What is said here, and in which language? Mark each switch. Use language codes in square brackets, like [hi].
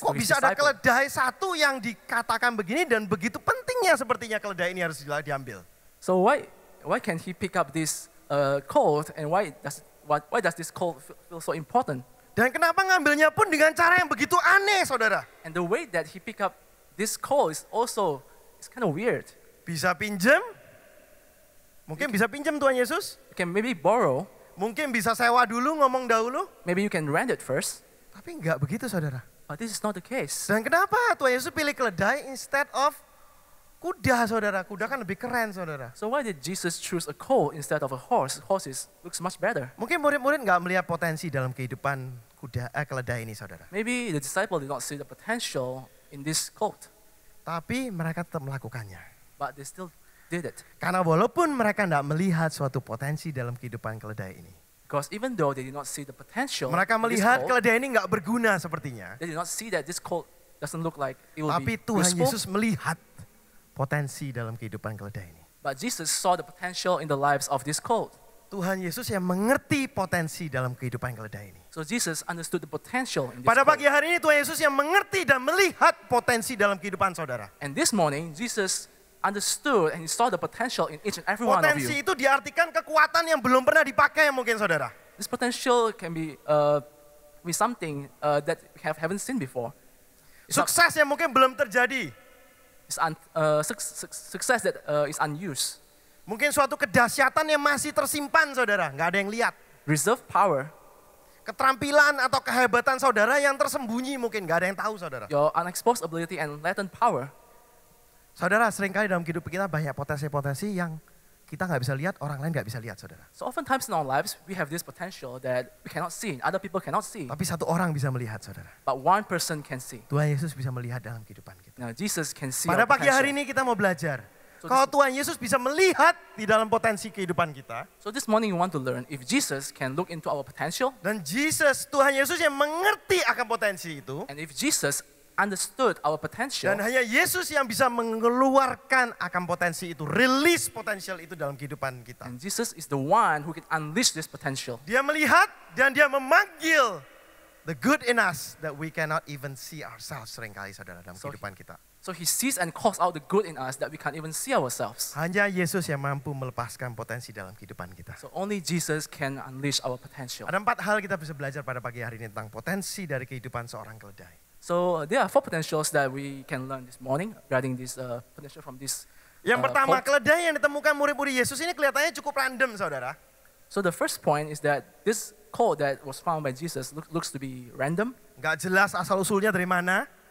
[id] Kok bisa ada keledai satu yang dikatakan begini dan begitu pentingnya sepertinya keledai ini harus diambil? [en] So why can he pick up this colt and why does this colt feel so important? [id] Dan kenapa ngambilnya pun dengan cara yang begitu aneh, saudara? [en] And the way that he pick up this colt is also it's kind of weird. [id] Bisa pinjam? Mungkin bisa pinjam Tuhan Yesus? [en] You can maybe borrow. [id] Mungkin bisa sewa dulu, ngomong dahulu? [en] Maybe you can rent it first. [id] Tapi enggak begitu, saudara. [en] But this is not the case. [id] Dan kenapa Tuhan Yesus pilih keledai [en] instead of [id] kuda, saudara? Kuda kan lebih keren, saudara. [en] So why did Jesus choose a colt instead of a horse? Horses looks much better. [id] Mungkin murid-murid enggak melihat potensi dalam kehidupan keledai ini, saudara. [en] Maybe the disciple did not see the potential in this colt. [id] Tapi mereka tetap melakukannya. [en] But they still did it. [id] Karena walaupun mereka tidak melihat suatu potensi dalam kehidupan keledai ini. [en] Because even though they did not see the potential. [id] Mereka melihat keledai ini enggak berguna sepertinya. [en] They did not see that this colt doesn't look like it will [id] Tapi Tuhan useful. Yesus melihat potensi dalam kehidupan keledai ini. [en] But Jesus saw the potential in the lives of this colt. [id] Tuhan Yesus yang mengerti potensi dalam kehidupan keledai ini. [en] So Jesus understood the potential in this. [id] Pada pagi hari ini Tuhan Yesus yang mengerti dan melihat potensi dalam kehidupan saudara. [en] And this morning Jesus understood and saw the potential in each and every one of you. [id] Potensi itu diartikan kekuatan yang belum pernah dipakai mungkin saudara. [en] This potential can be something that we haven't seen before. [id] Sukses yang mungkin belum terjadi. [en] Success that is unused. [id] Mungkin suatu kedahsyatan yang masih tersimpan saudara, enggak ada yang lihat. [en] Reserve power. [id] Keterampilan atau kehebatan saudara yang tersembunyi mungkin enggak ada yang tahu saudara. [en] Your unexposed ability and latent power. [id] Saudara, seringkali dalam hidup kita banyak potensi-potensi yang kita enggak bisa lihat, orang lain enggak bisa lihat saudara. [en] So oftentimes in our lives we have this potential that we cannot see, other people cannot see. [id] Tapi satu orang bisa melihat saudara. [en] But one person can see. [id] Tuhan Yesus bisa melihat dalam kehidupan kita. [en] Now Jesus can see. [id] Pada pagi hari ini kita mau belajar. Kalau Tuhan Yesus bisa melihat di dalam potensi kehidupan kita. [en] So this morning we want to learn if Jesus can look into our potential. [id] Dan Jesus, Tuhan Yesus yang mengerti akan potensi itu. [en] And if Jesus understood our potential. [id] Dan hanya Yesus yang bisa mengeluarkan akan potensi itu, release potensial itu dalam kehidupan kita. [en] And Jesus is the one who can unleash this potential. [id] Dia melihat dan dia memanggil [en] the good in us that we cannot even see ourselves [id] seringkali saudara dalam kehidupan kita. [en] So he sees and calls out the good in us that we can't even see ourselves. [id] Hanya Yesus yang mampu melepaskan potensi dalam kehidupan kita. [en] So only Jesus can unleash our potential. [id] Ada 4 hal kita bisa belajar pada pagi hari ini tentang potensi dari kehidupan seorang keledai. [en] So there are 4 potentials that we can learn this morning regarding this potential from this. [id] Yang pertama, keledai yang ditemukan murid-murid Yesus ini kelihatannya cukup random, saudara. [en] So the first point is that this colt that was found by Jesus looks to be random. [id] Enggak jelas asal usulnya dari mana.